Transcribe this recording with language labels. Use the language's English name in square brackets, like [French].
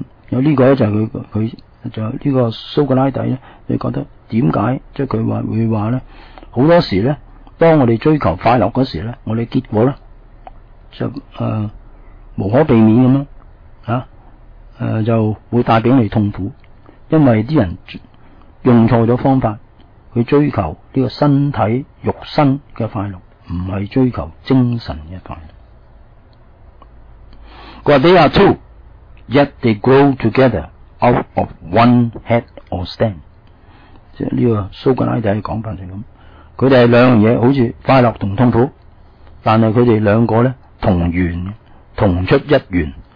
[Cantonese] 有呢个呢就係佢就呢个苏格拉底呢，你觉得点解即係佢话会话呢，好多时呢当我哋追求快乐嗰时呢，我哋结果呢就无可避免咁样就会带俾你痛苦。因为啲人用错咗方法去追求呢个身体肉身嘅快乐，唔系追求精神嘅快乐。佢话 [English] they are two, yet they grow together out of one head or stem。 [Cantonese] 即系呢个苏格拉底嘅讲法就咁，佢哋系两样嘢，好似快乐同痛苦，但系佢哋两个咧同源，同出一源。